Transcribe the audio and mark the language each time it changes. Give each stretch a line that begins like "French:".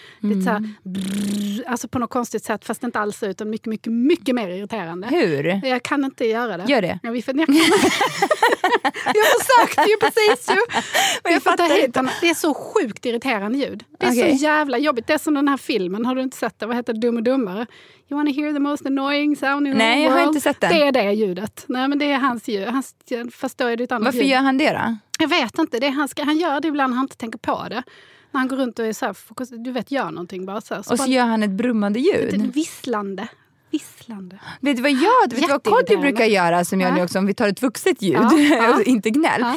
Swedish: Lite så här, alltså på något konstigt sätt, fast inte alls, utan mycket, mycket, mycket mer irriterande. Hur? Jag kan inte göra det. Gör det. Ja, jag försökte ju precis ju. Men jag fattar inte. Det är så sjukt irriterande ljud. Det är så jävla jobbigt. Det är som den här filmen, har du inte sett det? Vad heter Dum och Dummare?
English: You wanna hear the most annoying sound in the world?
Swedish: Nej, jag har inte sett den. Det är det ljudet. Nej, men det är hans ljud. Hans, fast då är det ett annat Varför ljud. Gör han det då? Jag vet inte. Det är hans, han gör det ibland, han inte tänker på det. När han går runt och är så här, fokus, du vet, gör någonting bara så här. Och så gör han ett brummande ljud. Ett visslande. Visslande. Vet du vad jag, vet du vad Kodjo brukar göra som jag nu också, om vi tar ett vuxet ljud, inte gnäll.